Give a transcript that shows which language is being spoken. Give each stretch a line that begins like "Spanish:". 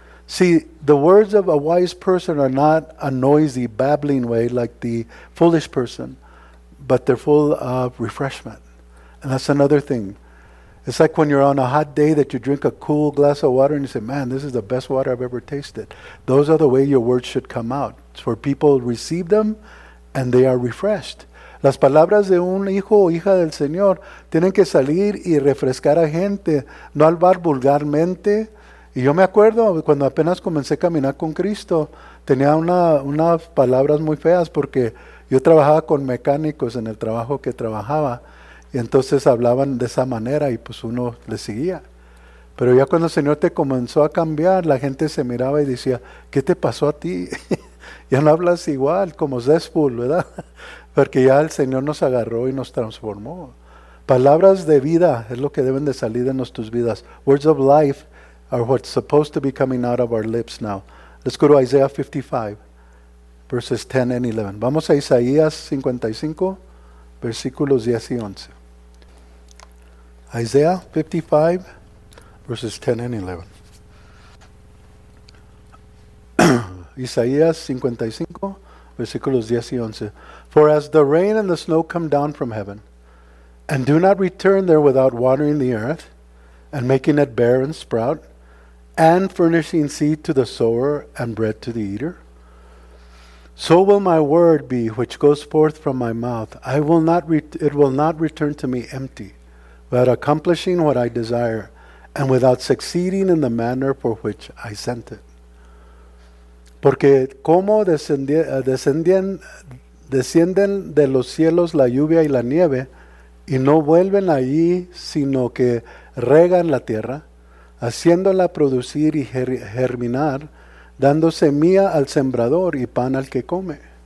English: See, the words of a wise person are not a noisy, babbling way like the foolish person, but they're full of refreshment. And that's another thing. It's like when you're on a hot day that you drink a cool glass of water and you say, man, this is the best water I've ever tasted. Those are the way your words should come out. It's where people receive them and they are refreshed.
Spanish: Las palabras de un hijo o hija del Señor tienen que salir y refrescar a gente, no hablar vulgarmente. Y yo me acuerdo cuando apenas comencé a caminar con Cristo, tenía unas palabras muy feas porque yo trabajaba con mecánicos en el trabajo que trabajaba. Y entonces hablaban de esa manera y pues uno le seguía. Pero ya cuando el Señor te comenzó a cambiar, la gente se miraba y decía, ¿qué te pasó a ti? Ya no hablas igual, como Zespul, ¿verdad? Porque ya el Señor nos agarró y nos transformó. Palabras de vida es lo que deben de salir de nuestras vidas.
English: Words of life are what's supposed to be coming out of our lips now. Let's go to Isaiah 55, verses 10 and 11.
Spanish: Vamos a Isaías 55, versículos 10 y 11.
English: Isaiah 55, verses 10 and 11.
Spanish: Isaías 55, versículos 10 y 11.
English: For as the rain and the snow come down from heaven, and do not return there without watering the earth, and making it bear and sprout, and furnishing seed to the sower and bread to the eater, so will my word be which goes forth from my mouth. It will not return to me empty, but accomplishing what I desire, and without succeeding in the manner for which I sent it.
Spanish: Porque como descienden de los cielos la lluvia y la nieve, y no vuelven allí, sino que regan la tierra, haciéndola producir y germinar, dando semilla al sembrador y pan al que come.